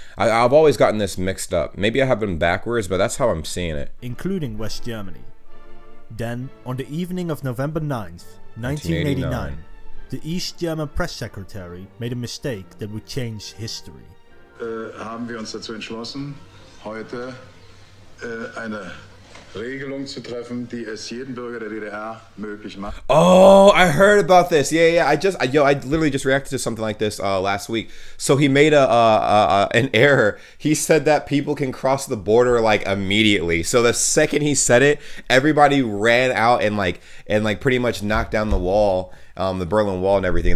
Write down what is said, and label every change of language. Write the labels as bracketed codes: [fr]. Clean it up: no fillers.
[en] I've always gotten this mixed up. Maybe I have them backwards, but that's how I'm seeing it. Including West Germany. Then, on the evening of November 9th, 1989, the East German press secretary made a mistake that would change history. [de] Haben wir uns dazu entschlossen, heute eine Regelung zu treffen, die es jeden Bürger der DDR möglich macht. [en] Oh, I heard about this. Yeah, yeah. I literally just reacted to something like this last week. So he made an error. He said that people can cross the border like immediately. So the second he said it, everybody ran out and pretty much knocked down the wall, the Berlin Wall and everything.